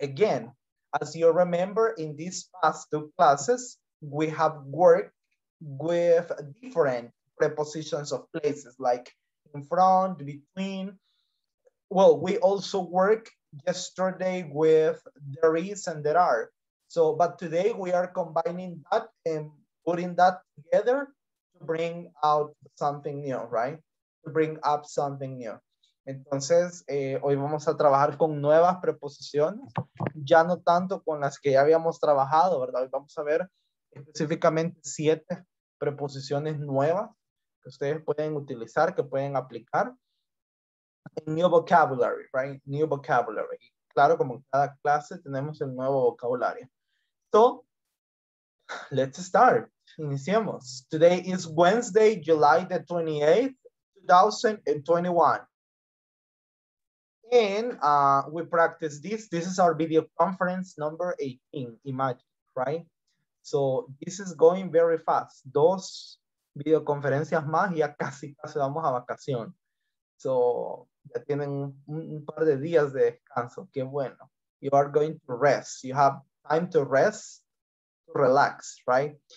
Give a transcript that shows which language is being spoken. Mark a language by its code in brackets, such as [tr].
[en] Again, as you remember, in these past two classes, we have worked with different prepositions of places, like in front, between. Well, we also work yesterday with there is and there are. So, but today we are combining that and putting that together to bring out something new, right? To bring up something new. [es] Entonces, hoy vamos a trabajar con nuevas preposiciones, ya no tanto con las que ya habíamos trabajado, ¿verdad? Hoy vamos a ver específicamente 7 preposiciones nuevas que ustedes pueden utilizar, que pueden aplicar. [en] New vocabulary, right? New vocabulary. [es] Claro, como en cada clase tenemos el nuevo vocabulario. [en] So, let's start. [es] Iniciemos. [en] Today is Wednesday, July the 28th, 2021. And we practice this. This is our video conference number 18. Imagine, right? So, this is going very fast. [es] 2 videoconferencias más y ya casi vamos a vacación. So, ya tienen un par de días de descanso. Qué bueno. [en] You are going to rest. You have time to rest, to relax, right?